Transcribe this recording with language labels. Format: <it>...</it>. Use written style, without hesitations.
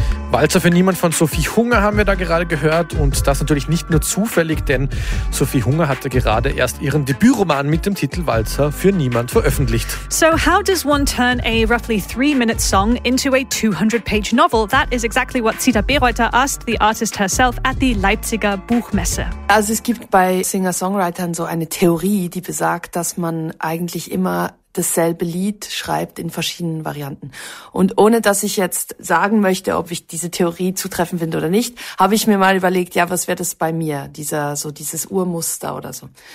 <de>Walzer für Niemand von Sophie Hunger haben wir da gerade gehört und das natürlich nicht nur zufällig, denn Sophie Hunger hatte gerade erst ihren Debütroman mit dem Titel Walzer für Niemand veröffentlicht.</de> <en>So how does one turn a roughly 3-minute song into a 200-page novel? That is exactly what Zita Bereuter asked the artist herself at the Leipziger Buchmesse.</en> <de>Also es gibt bei Singer-Songwritern so eine Theorie, die besagt, dass man eigentlich immer dasselbe Lied schreibt in verschiedenen Varianten. Und ohne, dass ich jetzt sagen möchte, ob ich diese Theorie zutreffend finde oder nicht, habe ich mir mal überlegt, ja, was wäre das bei mir, dieses Urmuster oder so.</de>